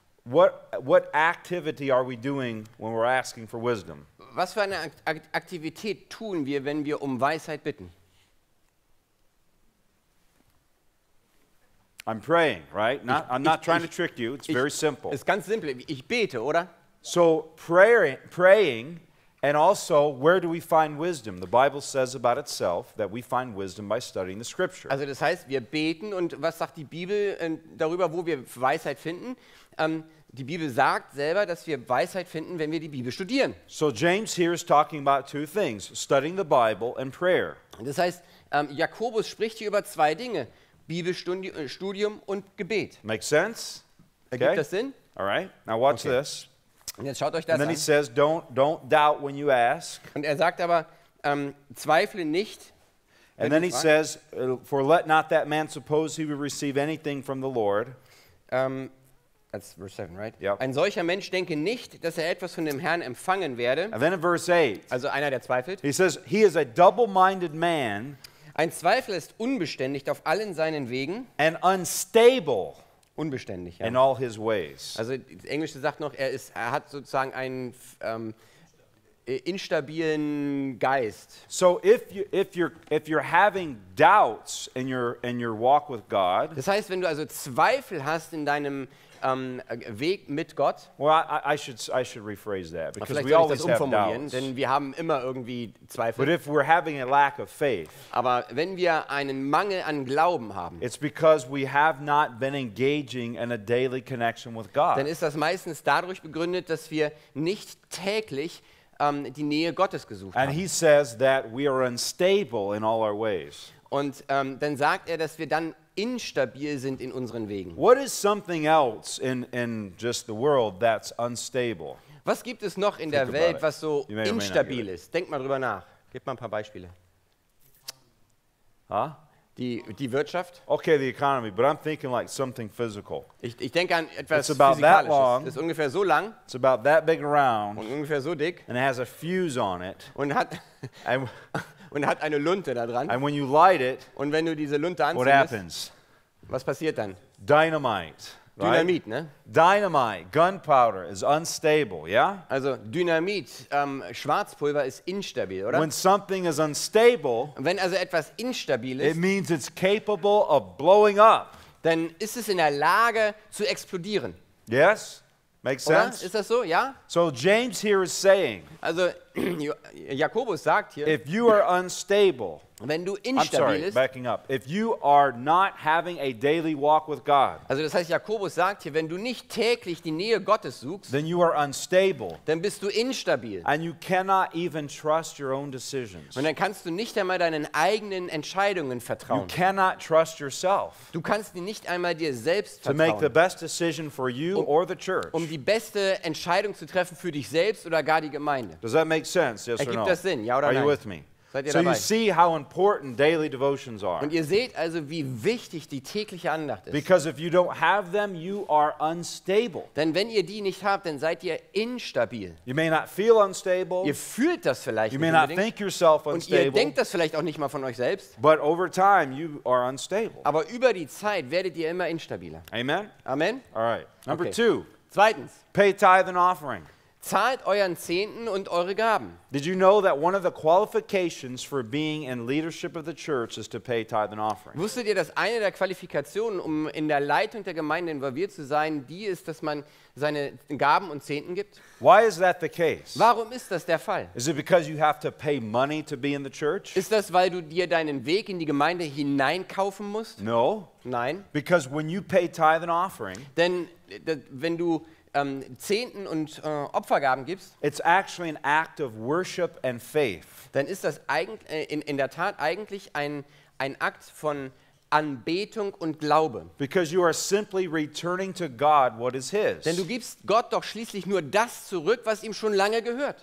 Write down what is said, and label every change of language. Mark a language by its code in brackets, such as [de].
[en] What activity are we doing when we're asking for wisdom? [de] Was für eine Aktivität tun wir, wenn wir um Weisheit bitten? [en] I'm praying, right? I'm not trying to trick you. It's very simple. [de] Ist ganz simpel. Ich bete, oder? [en] So praying And also, where do we find wisdom? The Bible says about itself that we find wisdom by studying the Scripture. [de] Also, das heißt, wir beten und was sagt die Bibel darüber, wo wir Weisheit finden? Die Bibel sagt selber, dass wir Weisheit finden, wenn wir die Bibel studieren. [en] So James here is talking about two things: studying the Bible and prayer. [de] Das heißt, Jakobus spricht hier über zwei Dinge: Bibelstudium und Gebet. [en] Make sense? [de] Ergibt [en] okay. [de] das Sinn? [en] All right. Now watch okay. this. [de] Und jetzt schaut euch das [en] and then [de] an. [en] He says, don't doubt when you ask. [de] Und er sagt aber, zweifle nicht. [en] And then he says, for let not that man suppose he will receive anything from the Lord. That's verse 7, right? Yep. [de] Ein solcher Mensch denke nicht, dass er etwas von dem Herrn empfangen werde. [en] And then in verse 8. [de] Also einer, der zweifelt. [en] He says, he is a double-minded man. [de] Ein Zweifel ist unbeständig auf allen seinen Wegen. [en] And unstable. [de] Unbeständig, ja. [en] In all his ways. [de] Also das Englische sagt noch, er hat sozusagen einen instabilen Geist. [en] So if you're having doubts in your walk with God. [de] Das heißt, wenn du also Zweifel hast in deinem Weg mit Gott. [en] Well, I should rephrase that because we always have doubts. [de] Denn wir haben immer irgendwie Zweifel. [en] But if we're having a lack of faith, [de] aber wenn wir einen Mangel an Glauben haben, [en] it's because we have not been engaging in a daily connection with God. [de] Dann ist das meistens dadurch begründet, dass wir nicht täglich die Nähe Gottes gesucht [en] and [de] haben. [en] And he says that we are unstable in all our ways. [de] Und dann sagt er, dass wir dann instabil sind in unseren Wegen. [en] What is something else in just the world that's unstable? [de] Was gibt es noch in [en] Think [de] der Welt, [en] it. [de] Was so instabil ist? Denk mal drüber nach. Gib mal ein paar Beispiele. Huh? Die Wirtschaft? [en] Okay, the economy, but I'm thinking like something physical. [de] Ich denke an etwas Physikalisches. Es ist ungefähr so lang. [en] It's about that big around. [de] Und ungefähr so dick. [en] And it has a fuse on it. [de] Und hat und hat eine Lunte da dran. [en] And when you light it, [de] und wenn du diese Lunte [en] what happens? [de] Was passiert dann? [en] Dynamite. Right? [de] Dynamit, ne? [en] Dynamite, gunpowder is unstable, yeah? [de] Also Dynamit, Schwarzpulver ist instabil, oder? [en] When something is unstable, [de] wenn also etwas instabil ist, [en] it means it's capable of blowing up. [de] Dann ist es in der Lage zu explodieren. [en] Yes? Makes sense? [de] Ist das so? Ja? [en] So James here is saying, [de] also Jakobus sagt hier, [en] if you are unstable, [de] wenn du instabil [en] I'm sorry, backing up, if you are not having a daily walk with God, [de] also das heißt, Jakobus sagt hier, wenn du nicht täglich die Nähe Gottes suchst, [en] then you are unstable, [de] dann bist du instabil, [en] and you cannot even trust your own decisions, [de] und dann kannst du nicht einmal deinen eigenen Entscheidungen vertrauen, [en] you cannot trust yourself, [de] du kannst nicht einmal dir selbst vertrauen, [en] to make the best decision for you or the church, [de] um die beste Entscheidung zu treffen für dich selbst oder gar die Gemeinde. [en] Does that make sense? Yes [de] Ergibt [en] or no? [de] Das Sinn, ja oder [en] are [de] nein? [en] You with me? [de] Seid ihr [en] so [de] dabei? [en] You see how important daily devotions are. [de] Und ihr seht also, wie wichtig die tägliche Andacht ist. [en] Because if you don't have them, you are unstable. [de] Denn wenn ihr die nicht habt, dann seid ihr instabil. [en] You may not feel unstable. [de] Ihr fühlt das vielleicht [en] you [de] nicht [en] may [de] unbedingt. [en] Not think yourself unstable. [de] Und ihr denkt das vielleicht auch nicht mal von euch selbst. [en] But over time, you are unstable. [de] Aber über die Zeit werdet ihr immer instabiler. [en] Amen. [de] Amen. [en] All right. Number okay. two. [de] Zweitens. [en] Pay tithe and offering. [de] Zahlt euren Zehnten und eure Gaben. [en] Did you know that one of the qualifications for being in leadership of the church is to pay tithe and offering? [de] Wusstet ihr, dass eine der Qualifikationen, um in der Leitung der Gemeinde involviert zu sein, die ist, dass man seine Gaben und Zehnten gibt? [en] Why is that the case? [de] Warum ist das der Fall? [en] Is it because you have to pay money to be in the church? [de] Ist das, weil du dir deinen Weg in die Gemeinde hineinkaufen musst? [en] No. [de] Nein. [en] Because when you pay tithe and offering, [de] denn wenn du Zehnten und Opfergaben gibst. [en] It's actually an act of worship and faith. [de] Dann ist das in der Tat eigentlich ein Akt von Anbetung und Glaube. [en] Because you are simply returning to God what is his. [de] Denn du gibst Gott doch schließlich nur das zurück, was ihm schon lange gehört.